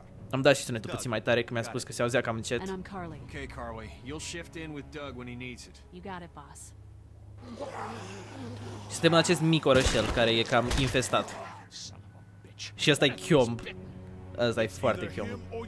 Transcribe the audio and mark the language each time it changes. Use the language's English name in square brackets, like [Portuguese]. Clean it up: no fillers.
[Romanian] Am dat și sunetul puțin mai tare, că mi-a spus că se auzea cam încet. [English] Ok, Carly, you'll shift in with Doug when he needs it. You got it, boss. [Romanian] Suntem în acest mic orășel care e cam infestat. Și ăsta e Kyomb. Ăsta e foarte Kyomb.